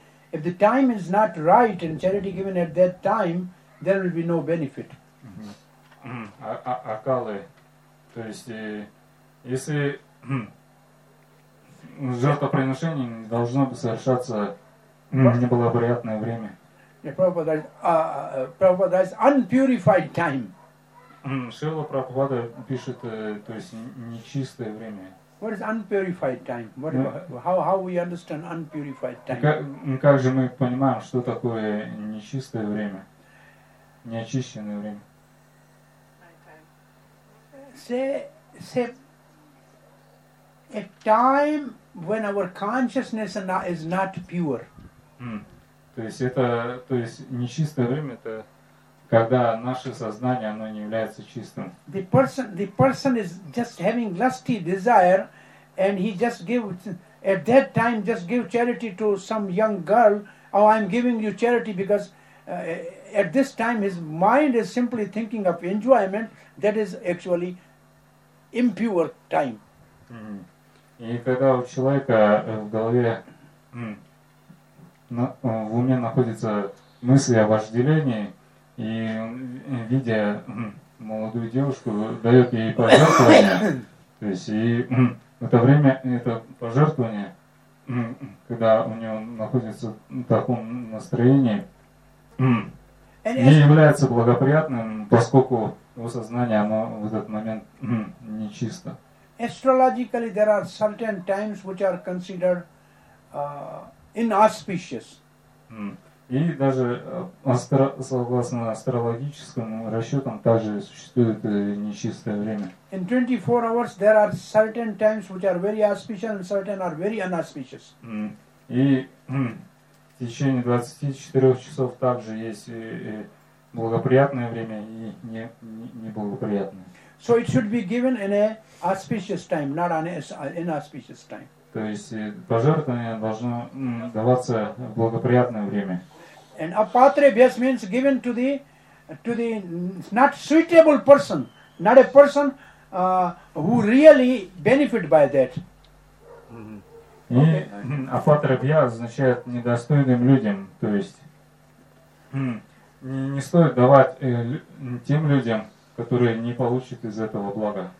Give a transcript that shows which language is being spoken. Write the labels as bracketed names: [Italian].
[English] If the time is not right and charity given at that time, there will be no benefit. [Sanskrit] Акалы. [Russian] То есть, если жертвоприношение не должно бы совершаться, не было бы приятное время. [English] Prabhupada says, unpurified time. [Russian] Шрила Прабхупада пишет, то есть, нечистое время. [English] What is unpurified time? What, how we understand unpurified time? [Russian] Как же мы понимаем, что такое нечистое время, неочищенное время? [English] Say a time when our consciousness is not pure. [Russian] То есть нечистое время это когда наше сознание оно не является чистым. [English] The person is just having lusty desire. And he just give at that time just give charity to some young girl. Oh, I'm giving you charity because at this time his mind is simply thinking of enjoyment. That is actually impure time. [Russian] И когда у человека в голове в уме находится мысли о вожделении и видя молодую девушку дает ей пожертвование, то есть и это время, это пожертвование, когда у него находится в таком настроении, не является благоприятным, поскольку его сознание, оно в этот момент нечисто. [English] Astrologically, there are certain times which are considered inauspicious. [Russian] И даже согласно астрологическим расчетам также существует нечистое время. [English] In 24 hours there are certain times which are very auspicious and certain are very unauspicious. [Russian] И в течение 24 часов также есть благоприятное время и неблагоприятное. [English] So it should be given in an auspicious time, not an inauspicious time. [Russian] То есть пожертвование должно даваться в благоприятное время. [English] And apatrebhyas means given to the not suitable person, not a person who really benefit by that. Mm-hmm. [Russian] Okay. И апатребья означает недостойным людям, то есть не стоит давать тем людям, которые не получат из этого блага.